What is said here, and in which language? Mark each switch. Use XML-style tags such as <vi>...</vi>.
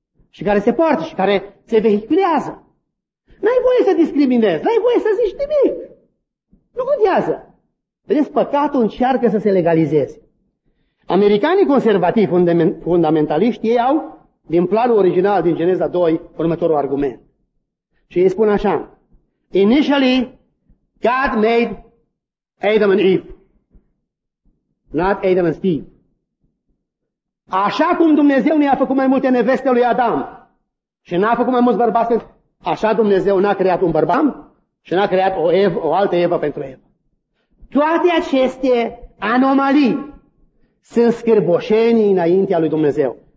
<ro>Și care se poartă și care se vehiculează. N-ai voie să discriminezi, n-ai voie să zici nimic. Nu contează. Vedeți, păcatul încearcă să se legalizeze. Americanii conservativi, fundamentaliști, ei au, din planul original din Geneza 2, următorul argument. Și ei spun așa.</ro> <en>Initially, God made Adam and Eve. Not Adam and Steve.</en> <ro>Așa cum Dumnezeu nu i-a făcut mai multe neveste lui Adam și n-a făcut mai mulți bărbați, așa Dumnezeu n-a creat un bărbat și n-a creat o altă Evă pentru Evă. Toate aceste anomalii sunt scârboșenii înaintea lui Dumnezeu.</ro>